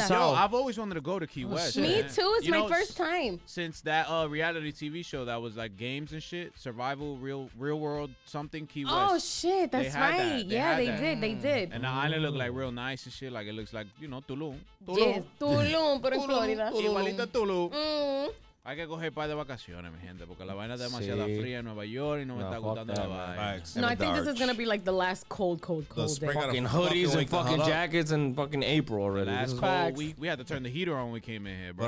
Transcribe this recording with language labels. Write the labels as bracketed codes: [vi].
[en] south. I've always wanted to go to Key West. Me too, it's my first time. Since that reality TV show that was like games and shit, survival, real world something, Key West. Oh, shit, that's right. Yeah, they did. And the island looked like real nice and shit, like it looks like, you know, Tulum. [es] Tulum, pero en Florida. Igualita Tulum. Hay que coger un par de vacaciones, mi gente, porque la vaina es demasiado fría en Nueva York y no me está gustando la vaina. [en] No, I think this is going to be like the last cold the day. Fucking hoodies fucking jackets and fucking April already. The last cold week. We had to turn the heater on when we came in here, bro.